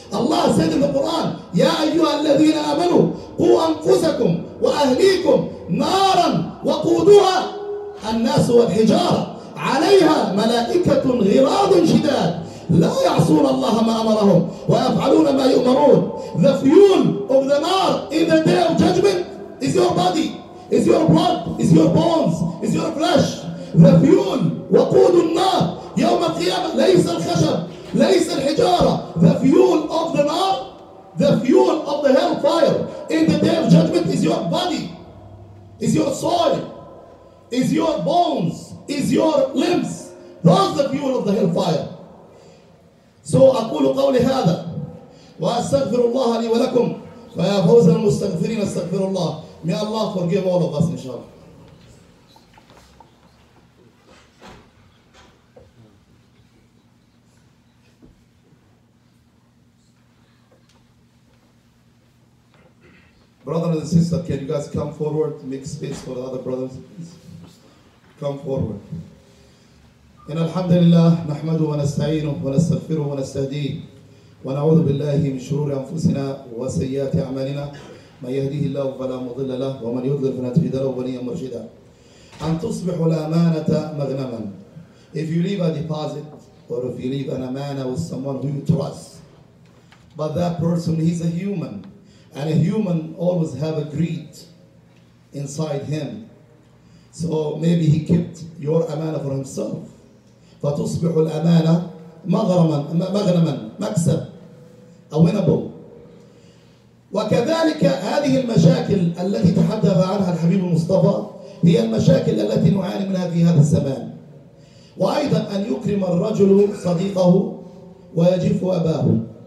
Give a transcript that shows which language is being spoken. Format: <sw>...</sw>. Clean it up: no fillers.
<en>Allah said in the Quran,</en> <ar>Ya ayyuha alladhina amanu, qu anfusakum wa ahlikum naran wa quduha الناس والحجارة عليها ملائكة غلاظ شداد لا يعصون الله ما أمرهم ويفعلون ما يؤمرون.</ar> <en>The fuel of the nar in the day of judgment is your body, is your blood, is your bones, is your flesh. The fuel</en> <ar>وقود النار يوم القيامة ليس الخشب ليس الحجارة.</ar> <en>The fuel of the nar, the fuel of the hellfire in the day of judgment is your body, is your soul, is your bones, is your limbs. That's the fuel of the hellfire.</en> <ar>So أقول قولي هذا وأستغفر الله لي ولكم فيا فوز المستغفرين أستغفر الله.</ar> <en>May Allah forgive all of us inshallah. Brothers and sisters, can you guys come forward to make space for the other brothers, please? Come forward.</en> <ar>إن الحمد لله نحمده ونستعينه ونستغفره ونستهديه ونعوذ بالله من شرور أنفسنا وسيئات أعمالنا. من يهديه الله فلا مضل له ومن يضلل فلا تجد له وليا مرشدا. أن تصبح الأمانة مغنما.</ar> <en>If you leave a deposit or if you leave an amana with someone who you trust, but that person, he's a human, and a human always have a greed inside him. So maybe he kept your amana for himself.</en> <ar>فتصبح الأمانة مغنما مكسب</ar> <en>a winnable.</en> <ar>وكذلك هذه المشاكل التي تحدث عنها الحبيب المصطفى هي المشاكل التي نعاني منها في هذا الزمان. وأيضا أن يكرم الرجل صديقه ويجف أباه.</ar>